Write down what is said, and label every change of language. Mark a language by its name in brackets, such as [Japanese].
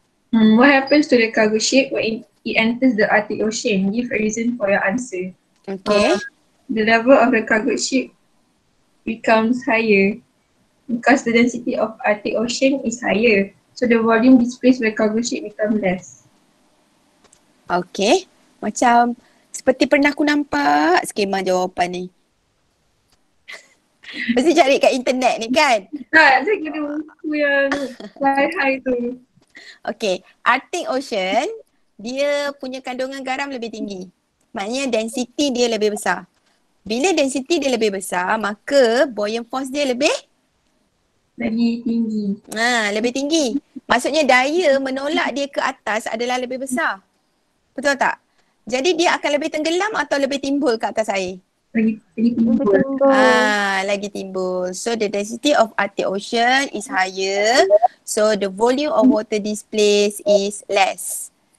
[English] What happens to the cargo ship when it enters the Arctic Ocean? Give a reason for your answer. Okay. The level of the cargo ship becomes higher because the density of Arctic Ocean is higher. So the volume displaced by cargo ship becomes less. Okay. [Malay] Macam seperti pernah aku nampak skema jawapan ni. Mesti cari kat internet ni kan? Tak, saya kena buku yang high-high tu. Okay. Arctic Ocean, dia punya kandungan garam lebih tinggi. Maknanya density dia lebih besar. Bila density dia lebih besar, maka buoyant force dia lebih? Lebih tinggi. Lebih tinggi. Maksudnya daya menolak dia ke atas adalah lebih besar. Betul tak? Jadi dia akan lebih tenggelam atau lebih timbul ke atas air? Lagi timbul. [English] So the density of Arctic Ocean is higher. So the volume of water displaced is less.